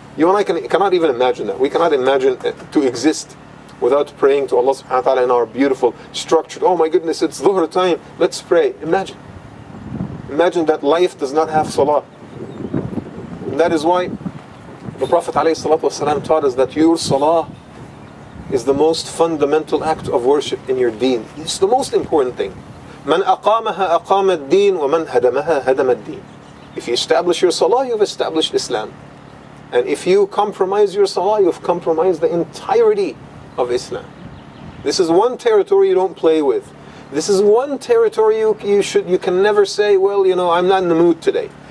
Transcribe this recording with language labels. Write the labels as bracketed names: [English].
[English] You and I cannot even imagine that. We cannot imagine to exist without praying to Allah subhanahu wa ta'ala in our beautiful, structured, oh my goodness, it's dhuhr time, let's pray. Imagine. Imagine that life does not have salah. that is why the Prophet عليه الصلاة والسلام taught us that your salah is the most fundamental act of worship in your deen. It's the most important thing. [Arabic] من أقامها أقام الدين ومن هدمها هدم الدين. [English] If you establish your salah, you've established Islam. And if you compromise your salah, you've compromised the entirety of Islam. This is one territory you don't play with. This is one territory you can never say, well, you know, I'm not in the mood today.